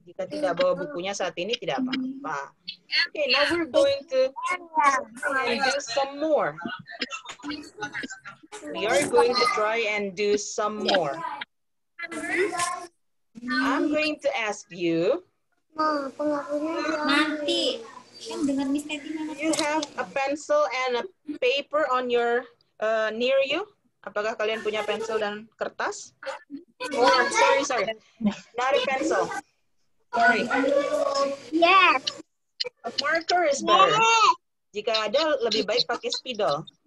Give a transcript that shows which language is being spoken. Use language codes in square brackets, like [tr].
[id] Jika tidak bawa bukunya saat ini, tidak apa-apa. [en] Okay, now we're going to do some more. We are going to try and do some more. I'm going to ask you. [id] Nanti. [en] You have a pencil and a paper on your near you? [id] Apakah kalian punya pensil dan kertas? [en] Oh, sorry. Not a pencil. Sorry. Yes. A marker is better. [id] Jika ada, lebih baik pakai spidol.